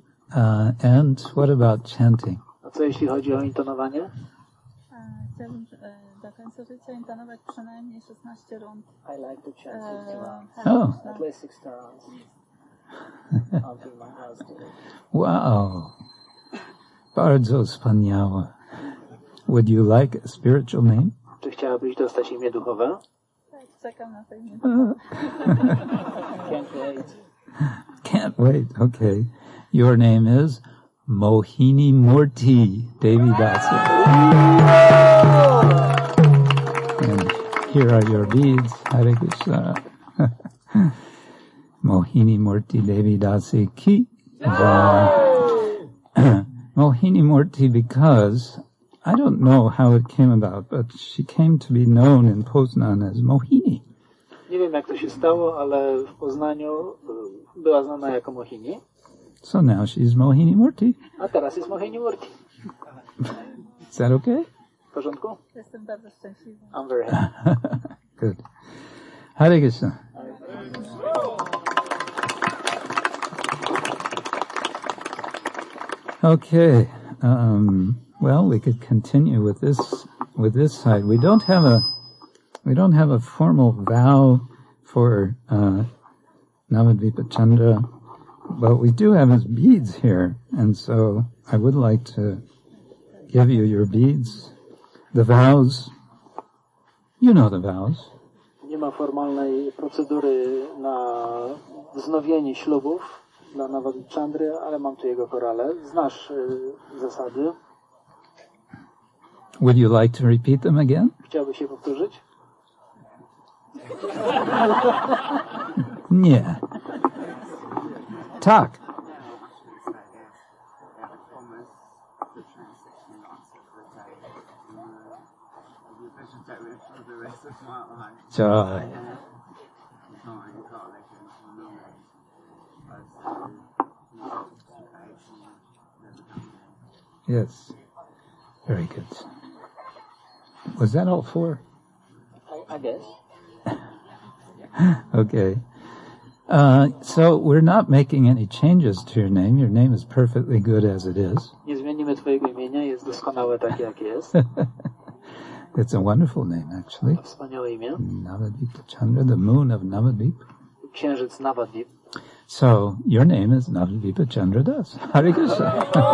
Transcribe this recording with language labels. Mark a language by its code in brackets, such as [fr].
[en] And what about chanting? [pl] A co jeśli chodzi o intonowanie? Chciałbym do końca życia intonować przynajmniej 16 rund. [en] I like to chant. At least 60 rounds. I'll do my house today. Wow. [pl] Bardzo wspaniałe. [en] Would you like a spiritual name? [pl] Czy chciałabyś dostać imię duchowe? Tak, czekam na to imię. [en] Can't wait. Can't wait, okay. Your name is Mohini Murti Devi Dasa. And here are your beads, Hare Krishna. Mohini Murti Devi Dasa ki. No! Mohini Murti, because I don't know how it came about, but she came to be known in Poznan as Mohini. [pl] Nie wiem, jak to się stało, ale w Poznaniu była znana jako Mohini. [en] So now she's Mohini Murti. [pl] A teraz jest Mohini Murti. [en] Is that okay? [pl] W porządku? Jestem bardzo szczęśliwy. [en] I'm very happy. Good. Hare Krishna. Okay. Well, we could continue with this side. We don't have a formal vow for Navadvipa Chandra, but we do have his beads here, and so I would like to give you your beads. The vows, you know the vows. [pl] Nie ma formalnej procedury na wznowienie ślubów dla Navadvipa Chandry, ale mam tu jego korale. Znasz zasady. [en] Would you like to repeat them again? [pl] Chciałbyś je powtórzyć? Nie. Tak. [en] Joy. Yes. Very good. Was that all four? I guess. Okay. So we're not making any changes to your name. Your name is perfectly good as it is. [pl] Nie zmienimy twojego imienia, jest doskonałe tak jak jest. [en] It's a wonderful name, actually. [pl] Wspaniałe imię. [en] Navadvipa Chandra, the moon of Navadvip. [pl] Księżyc Navadvip. [en] So your name is Navadvipa Chandra Das. Hare Krishna.